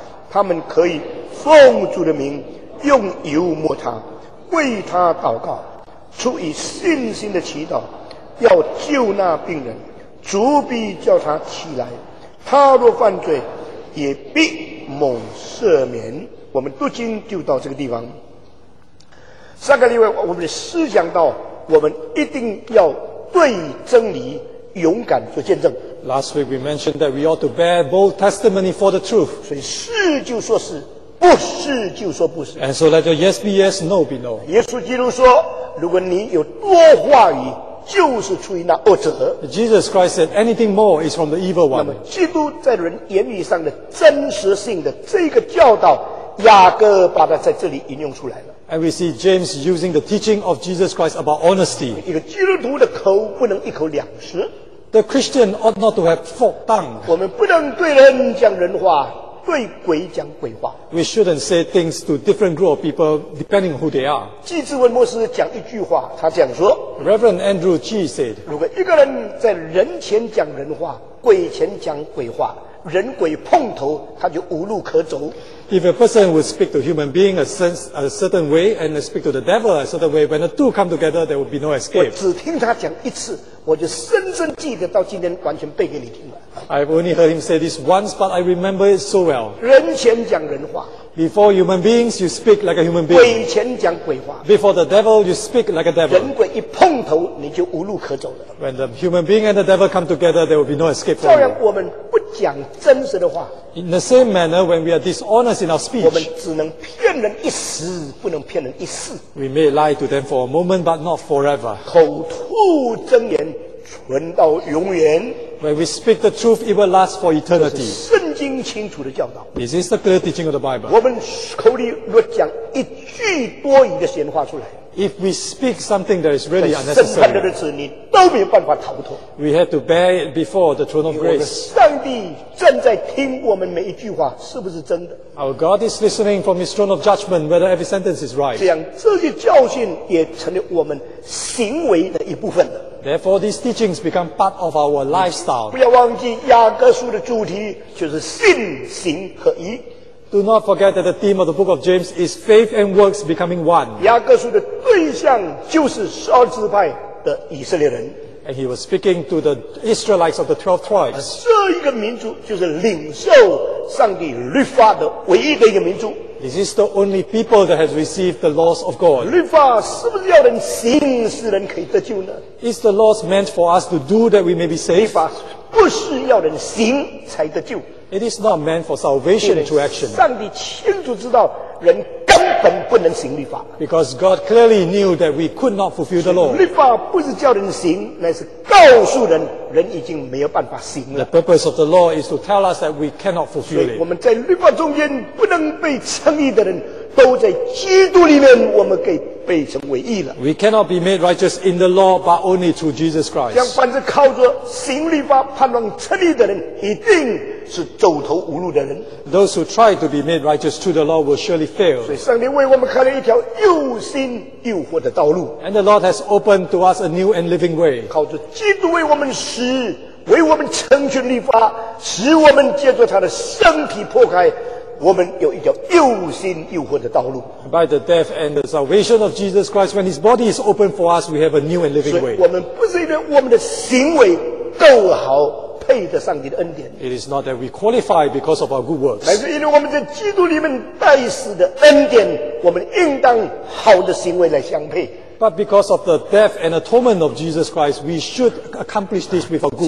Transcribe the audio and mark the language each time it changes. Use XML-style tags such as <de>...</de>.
<zh>他们可以奉主的名用油抹他，为他祷告，出于信心的祈祷，要救那病人，主必叫他起来，他若犯罪也必蒙赦免。我们读经就到这个地方。上个礼拜我们思想到我们一定要对真理勇敢做见证。</zh> <en>Last week we mentioned that we ought to bear bold testimony for the truth.</en> <zh>所以是就说是，不是就说不是。</zh> <en>And so let your yes be yes, no be no.</en> <zh>耶稣基督说，如果你有多话语，就是出于那恶者。</zh> <en>Jesus Christ said, anything more is from the evil one.</en> <zh>那么基督在人言语上的真实性的这个教导，雅各把它在这里引用出来了。</zh> <en>And we see James using the teaching of Jesus Christ about honesty.</en> <zh>一个基督徒的口不能一口两舌。</zh> <en>The Christian ought not to have forked tongue.</en> <zh>我们不能对人讲人话，对鬼讲鬼话。</zh> <en>We shouldn't say things to different group of people depending on who they are.</en> <zh>纪志文牧师讲一句话，他这样说。</zh> <en>Reverend Andrew G said,</en> <zh>如果一个人在人前讲人话，鬼前讲鬼话，人鬼碰头，他就无路可走。</zh> <en>If a person would speak to human being a certain way and speak to the devil a certain way, when the two come together, there would be no escape.</en> <zh>我只听他讲一次，我就深深记得到今天完全背给你听了。</zh> <en>I've only heard him say this once, but I remember it so well.</en> <zh>人前讲人话。</zh> <en>Before human beings, you speak like a human being.</en> <zh>鬼前讲鬼话。</zh> <en>Before the devil, you speak like a devil.</en> <zh>人鬼一碰头，你就无路可走了。</zh> <en>When the human being and the devil come together, there will be no escape for you.</en> <zh>照样，我们不讲真实的话。</zh> <en>In the same manner, when we are dishonest in our speech,</en> <zh>我们只能骗人一时，不能骗人一世。</zh> <en>We may lie to them for a moment, but not forever.</en> <zh>口吐真言，存到永远。</zh> <en>When we speak the truth, it will last for eternity.</en> <zh>这是圣经清楚的教导。</zh> <en>This is the clear teaching of the Bible.</en> <zh>我们口里若讲一句多余的闲话出来。</zh> <en>If we speak something that is really unnecessary,</en> <zh>审判的日子你都没有办法逃脱。</zh> <en>We have to bear it before the throne of grace.</en> <zh>因为我们上帝正在听我们每一句话是不是真的。</zh> <en>Our God is listening from his throne of judgment whether every sentence is right.</en> <zh>这样这些教训也成了我们行为的一部分了。</zh> <en>Therefore, these teachings become part of our lifestyle.</en> <zh>不要忘记雅各书的主题就是信行合一。</zh> <en>Do not forget that the theme of the book of James is faith and works becoming one.</en> <zh>雅各书的对象就是十二支派的以色列人。</zh> <en>And he was speaking to the Israelites of the 12 tribes.</en> <zh>这一个民族就是领受上帝律法的唯一的一个民族。</zh> <en>This is the only people that has received the laws of God.</en> <zh>律法是不是要人行使人可以得救呢？</zh> <en>Is the laws meant for us to do that we may be saved?</en> <zh>律法不是要人行才得救。</zh> <en>It is not meant for salvation through action.</en> <zh>上帝清楚知道人根本不能行律法。</zh> <en>Because God clearly knew that we could not fulfill the law.</en> <zh>律法不是叫人行，乃是告诉人人已经没有办法行了。</zh> <en>The purpose of the law is to tell us that we cannot fulfill it.</en> <zh>我们在律法中间不能被称义的人，都在基督里面我们可以被成为义了。</zh> <en>We cannot be made righteous in the law, but only through Jesus Christ.</en> <zh>像凡是靠着行律法盼望称义的人，一定是走投无路的人。</zh> <en>Those who try to be made righteous through the law will surely fail.</en> <zh>所以上帝为我们开了一条又新又活的道路。</zh> <en>And the Lord has opened to us a new and living way.</en> <zh>靠着基督为我们死，为我们成全律法，使我们借着他的身体破开。我们有一条又新又活的道路。</zh> <en>By the death and the salvation of Jesus Christ, when His body is open for us, we have a new and living way.</en> <zh>所以我们不是因为我们的行为够好配得上帝的恩典。</zh> <en>It is not that we qualify because of our good works.</en> <zh>乃是因为我们在基督里面代死的恩典，我们应当好的行为来相配。</zh> <en>But because of the death and atonement of Jesus Christ, we should accomplish this with our good works.</en>